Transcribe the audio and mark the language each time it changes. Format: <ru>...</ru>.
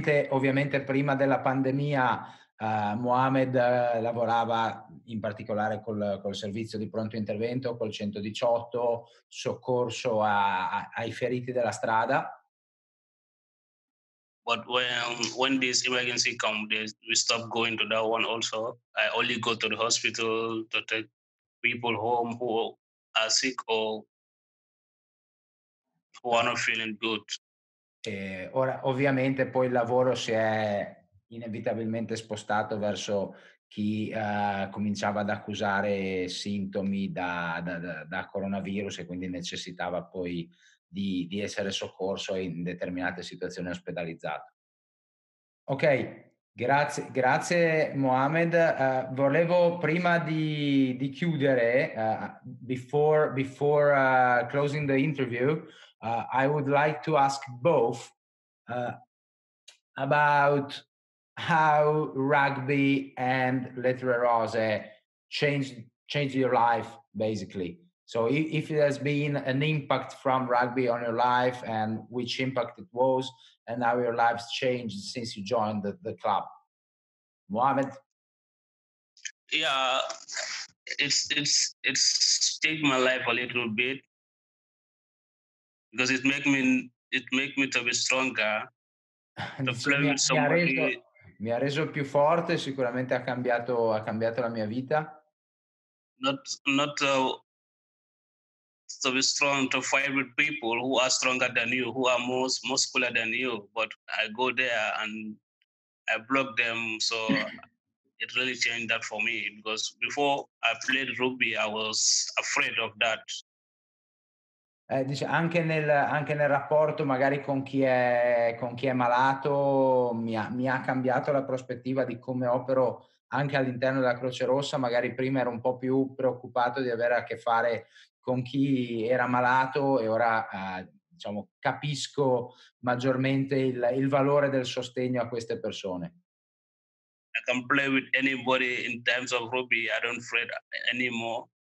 <it>Ovviamente prima della pandemia Mohamed lavorava in particolare col servizio di pronto intervento, col 118, soccorso ai feriti della strada.</it> <en>But when this emergency comes, we stop going to that one also. I only go to the hospital to take people home who are sick or who are not feeling good.</en> <it>Ora, ovviamente, poi il lavoro si è inevitabilmente spostato verso chi cominciava ad accusare sintomi da coronavirus e quindi necessitava poi di essere soccorso in determinate situazioni ospedalizzato. Ok, grazie Mohamed. Volevo prima di chiudere,</it> <en>before closing the interview, I would like to ask both about how rugby and Lettre Rose changed your life, basically. So if it has been an impact from rugby on your life, and which impact it was, and how your life's changed since you joined the club. Mohamed? Yeah, it's changed my life a little bit, because it make me to be stronger. To play with somebody.</en> <it>Mi ha reso più forte, sicuramente ha cambiato la mia vita.</it> <en>Not to be strong to fight with people who are stronger than you, who are more muscular than you, but I go there and I block them, so it really changed that for me, because before I played rugby I was afraid of that.</en> <it>Dice, anche nel rapporto magari con chi è malato mi ha cambiato la prospettiva di come opero anche all'interno della Croce Rossa. Magari prima ero un po' più preoccupato di avere a che fare con chi era malato, e ora diciamo capisco maggiormente il valore del sostegno a queste persone.</it> <en>I can play with anybody in terms of rugby, I don't fret anymore.</en>